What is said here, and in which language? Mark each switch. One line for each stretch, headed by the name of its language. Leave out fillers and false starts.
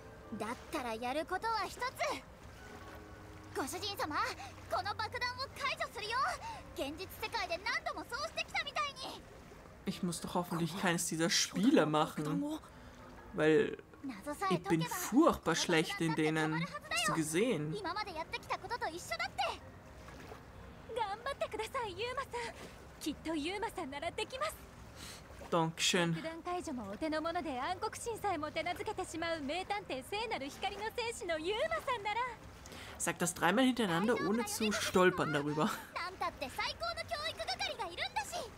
Japanese: だったらやることは一つ。ご主人様、この爆弾を解除するよ。現実世界で何度もそうしてきたみたいに。
German: Ich muss doch hoffentlich keines dieser Spiele machen, weil ich bin furchtbar schlecht in denen. Hast du gesehen?
Japanese: 今までやってきたことと一緒だって。頑張ってください、ユーマさん。きっとユーマさんならできます。
German: Dankeschön.
Japanese: 爆弾解除もお手の物で暗黒神さえも手なずけてしまう名探偵聖なる光の戦士のユーマさんなら。
German: Sag das dreimal hintereinander, ohne zu stolpern darüber.
Japanese: なんたって最高の教育係がいるんだし。